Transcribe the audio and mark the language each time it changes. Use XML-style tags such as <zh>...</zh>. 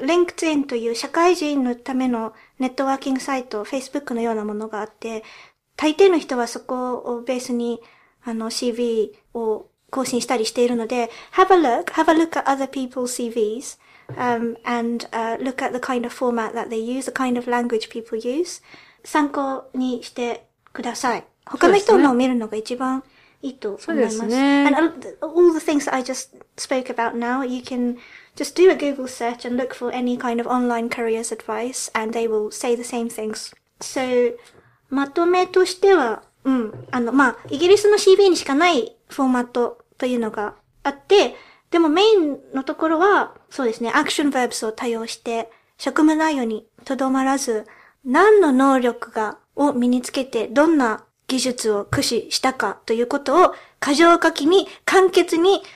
<ja>うん、LinkedIn という社会人のためのネットワーキングサイト、Facebook のようなものがあって、大抵の人はそこをベースに、あの、CV を更新したりしているので、</ja> <en>Have a look at other people's CVs, look at the kind of format that they use, the kind of language people use.</en> <ja>参考にしてください。他の人のを見るのが一番いいと思います。そうですね。</ja> <en>And all the things that I just spoke about now, you can just do a Google search and look for any kind of online careers advice, and they will say the same things. So,</en> <ja>まとめとしては、うん、あの、まあ、イギリスの CV にしかないフォーマットというのがあって、でもメインのところは、そうですね、アクションバーブスを多用して、職務内容にとどまらず、何の能力が、を身につけて、どんな技術を駆使したかということを、箇条書きに、簡潔に、</ja>